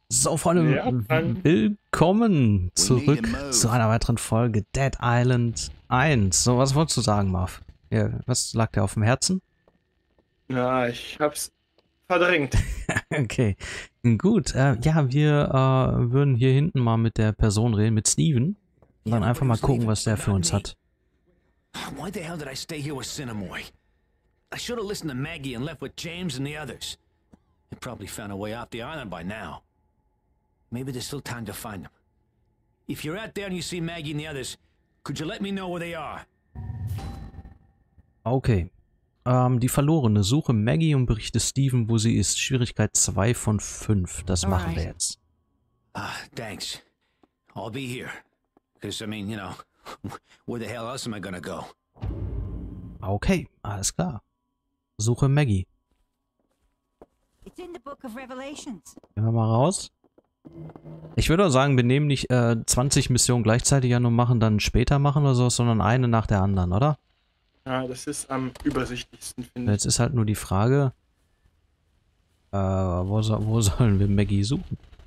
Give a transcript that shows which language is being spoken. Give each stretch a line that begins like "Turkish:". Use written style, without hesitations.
German: So, Freunde, ja, willkommen zurück zu einer weiteren Folge Dead Island 1. So, was wolltest du sagen, Marv? Ja, was lag dir auf dem Herzen? Ja, ich hab's verdrängt. Okay, gut. Wir würden hier hinten mal mit der Person reden, mit Steven. Und dann einfach mal gucken, was der für uns hat.
English: Why the hell did I stay here with Cinnamoy? I should have listened to Maggie and left with James and the others. They probably found a way off the island by now. Maybe there's still time to find them. If you're out there and you see Maggie and the others, could you let me know where they are?
German: Okay. Die Verlorene. Suche Maggie und berichte Steven, wo sie ist. Schwierigkeit 2 von 5. Das machen wir jetzt.
English: Ah, thanks. I'll be here. Because, I mean, you know, where the hell else am I gonna go?
German: Okay, alles klar. Suche Maggie.
English: It's in the Book of Revelations.
German: Gehen wir mal raus. Ich würde sagen, wir nehmen nicht 20 Missionen gleichzeitig an und machen dann später machen oder so, sondern eine nach der anderen, oder? Ja, das ist am übersichtlichsten, finde ich. Jetzt ist halt nur die Frage, wo sollen wir Maggie suchen?